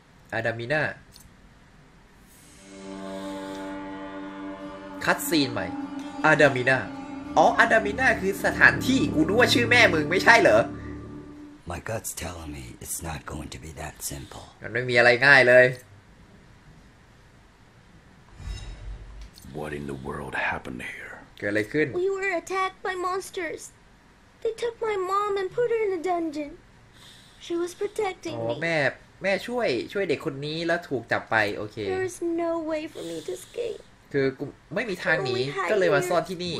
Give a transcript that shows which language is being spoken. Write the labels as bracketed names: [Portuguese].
[Thai] แอดามีนาคัตซีนใหม่แอดามีนาอ๋ออแอดามีนาคือสถานที่กูรู้ว่าชื่อแม่มึงไม่ใช่เหรอ [English] My gut's telling me it's not going to be that simple [Thai] มันไม่มีอะไรง่ายเลย [English] What in the world happened here? [Thai] เกิดอะไรขึ้น [English] We were attacked by monsters. They took my mom and put her in a dungeon. She was protecting me. [Thai] อ๋อแม่ช่วยเด็กคนนี้แล้วถูกจับไปโอเค [English] There's no way for me to escape. [Thai] คือกูไม่มีทางหนีก็เลยมาซ่อนที่นี